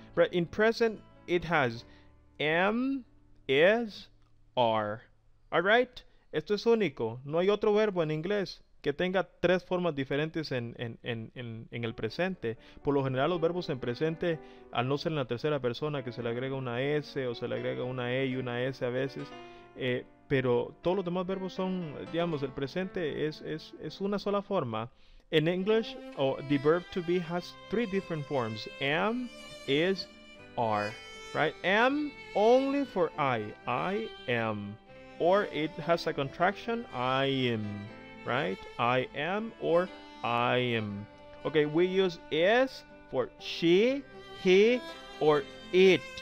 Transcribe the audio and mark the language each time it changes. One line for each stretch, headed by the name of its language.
English: But in present, it has am, is, are.
Spanish: Alright? Esto es único. No hay otro verbo en inglés que tenga tres formas diferentes en el presente. Por lo general, los verbos en presente, al no ser en la tercera persona, que se le agrega una S o se le agrega una E y una S a veces, pero todos los demás verbos son, digamos, el presente es una sola forma.
English: In English, the verb to be has three different forms. Am, is, are. Right? Am only for I am. Or it has a contraction, I am. Right? I am or I am. Okay, we use is for she, he, or it.